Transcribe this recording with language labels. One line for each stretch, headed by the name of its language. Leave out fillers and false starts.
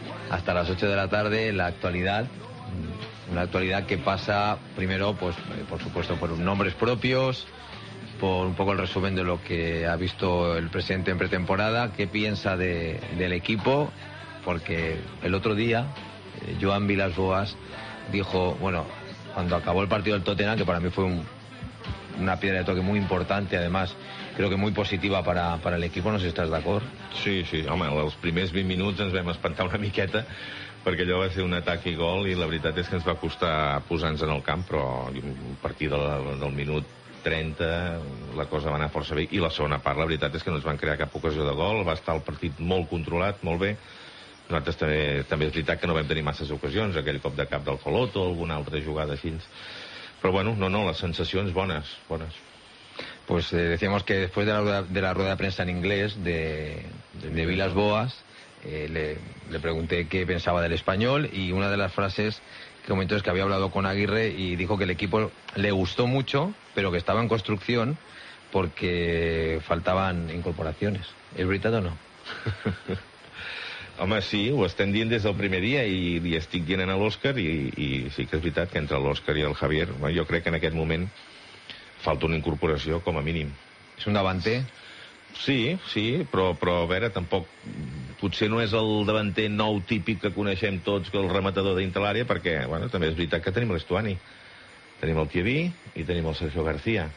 Spanish: Hasta las 8 de la tarde, la actualidad, una actualidad que pasa primero, pues, por supuesto, por nombres propios, por un poco el resumen de lo que ha visto el presidente en pretemporada, qué piensa del equipo, porque el otro día Joan Vilas-Boas dijo, bueno, cuando acabó el partido del Tottenham, que para mí fue una piedra de toque muy importante, además, creo que muy positiva para el equipo, no sé si estás de acuerdo.
Catalan: Sí, sí, home, els primers 20 minuts ens vam espantar una miqueta, perquè allò va ser un atac i gol, i la veritat és que ens va costar posar-nos en el camp, però a partir del minut 30 la cosa va anar força bé, i la segona part, la veritat és que no ens van crear cap ocasió de gol, va estar el partit molt controlat, molt bé. Nosaltres també és veritat que no vam tenir masses ocasions, aquell cop de cap del Coloto, alguna altra jugada així, però bueno, no, les sensacions bones.
Spanish: Pues decíamos que después de la rueda de prensa en inglés de Vilas-Boas, le pregunté qué pensaba del Español, y una de las frases que comentó es que había hablado con Aguirre y dijo que el equipo le gustó mucho, pero que estaba en construcción porque faltaban incorporaciones. ¿Es verdad o no?
Catalan: Home, sí, ho estem dient des del primer dia i li estic dient a l'Òscar i sí que és veritat que entre l'Òscar i el Javier, jo crec que en aquest moment falta una incorporació, com a mínim. És un davanter? Sí, sí, però a veure, tampoc... Potser no és el davanter nou típic que coneixem tots, el rematador dintre l'àrea, perquè, bueno, també és veritat que tenim l'Estuani, tenim el Tiaví i tenim el Sergio García.